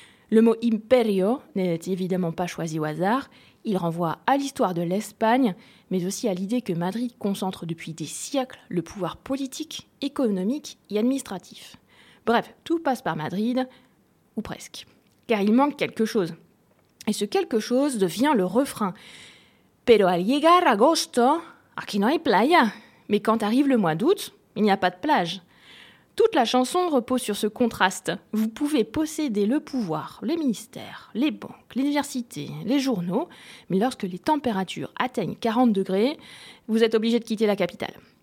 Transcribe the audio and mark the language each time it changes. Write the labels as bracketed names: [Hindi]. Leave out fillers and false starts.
[French] Le mot « imperio » n'est évidemment pas choisi au hasard. Il renvoie à l'histoire de l'Espagne, mais aussi à l'idée que Madrid concentre depuis des siècles le pouvoir politique, économique et administratif. Bref, tout passe par Madrid, ou presque. Car il manque quelque chose. Et ce quelque chose devient le refrain. [Spanish] Pero al llegar agosto, aquí no hay playa. [French] Mais quand arrive le mois d'août, il n'y a pas de plage. Toute la chanson repose sur ce contraste. Vous pouvez posséder le pouvoir, les ministères, les banques, l'université, les journaux, mais lorsque les températures atteignent 40 degrés, vous êtes obligé de quitter la capitale.